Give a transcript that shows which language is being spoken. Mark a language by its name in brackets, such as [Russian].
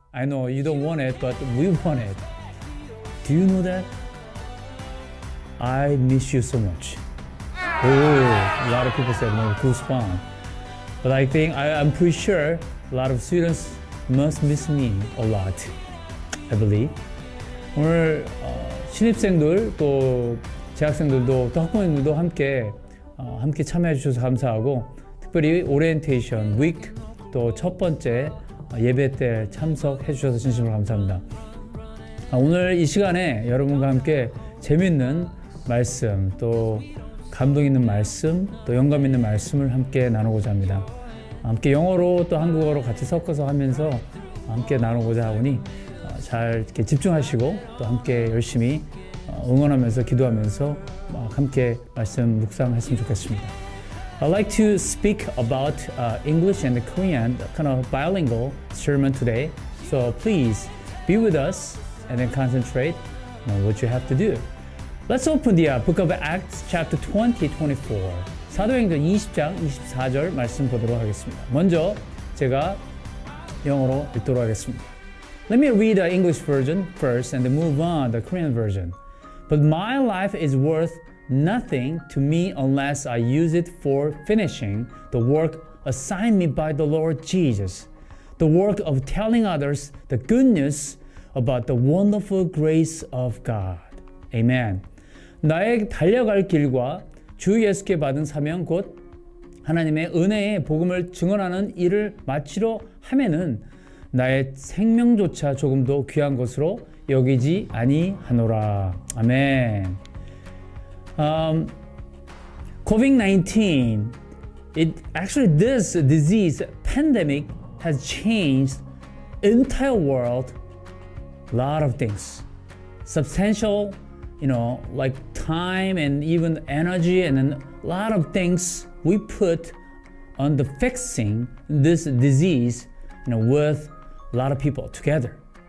[English] I know you don't want it, but we want it. Do you know that? I miss you so much. Ooh, a lot of people said, no, goosebumps. But I think, I'm pretty sure a lot of students must miss me a lot, I believe. [Korean] 오늘 신입생들, 또 재학생들도, 또 학부모님들도 함께 참여해 주셔서 감사하고, 특별히 오리엔테이션, 위크, 또 첫 번째 예배 때 참석해 주셔서 진심으로 감사합니다. 오늘 이 시간에 여러분과 함께 재밌는 말씀, 또 감동 있는 말씀, 또 영감 있는 말씀을 함께 나누고자 합니다. 함께 영어로 또 한국어로 같이 섞어서 하면서 함께 나누고자 하오니 잘 이렇게 집중하시고 또 함께 열심히 응원하면서 기도하면서 함께 말씀 묵상했으면 좋겠습니다. [English] I'd like to speak about English and Korean, kind of bilingual sermon today. So please be with us and then concentrate on what you have to do. Let's open the book of Acts chapter 20:24. [Korean] 사도행전 20장 24절 말씀 보도록 하겠습니다. 먼저 제가 영어로 읽도록 하겠습니다. [English] Let me read the English version first and then move on the Korean version. But my life is worth nothing to me unless I use it for finishing the work assigned me by the Lord Jesus, the work of telling others the good news about the wonderful grace of God. Amen. [Korean] 나의 달려갈 길과 주 예수께 받은 사명 곧 하나님의 은혜의 복음을 증언하는 일을 마치려 함에는 나의 생명조차 조금도 귀한 것으로 여기지 아니하노라. 아멘. [English] COVID-19, this disease pandemic has changed the entire world, a lot of things. Substantial, you know, like time and even energy and a lot of things we put on the fixing this disease, you know, with a lot of people together.